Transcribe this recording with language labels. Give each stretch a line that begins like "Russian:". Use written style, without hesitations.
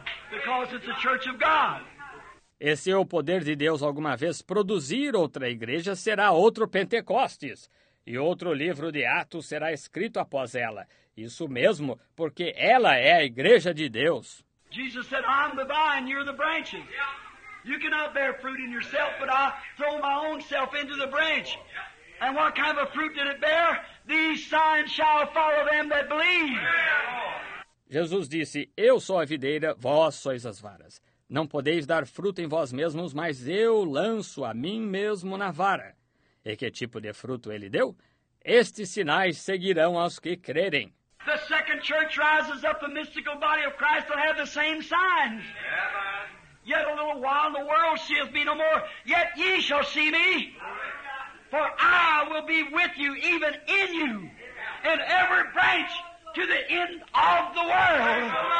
English: Because it's a church of God.
Portuguese: E se o poder de Deus alguma vez produzir outra igreja, será outro Pentecostes. E outro livro de Atos será escrito após ela. Isso mesmo, porque ela é a igreja de Deus.
English: Jesus said, I'm the vine, you're the branches. You cannot bear fruit in yourself, but I throw my own self into the branch. And what kind of a fruit did it bear? These signs shall follow them that believe.
Portuguese: Jesus disse, eu sou a videira, vós sois as varas. Não podeis dar fruto em vós mesmos, mas eu lanço a mim mesmo na vara. E que tipo de fruto ele deu? Estes sinais seguirão aos que crerem.
English: The second church rises up, the mystical body of Christ will have the same signs. Yet a little while and the world seeth me no more, yet ye shall see me. For I will be with you, even in you, in every branch to the end of the world.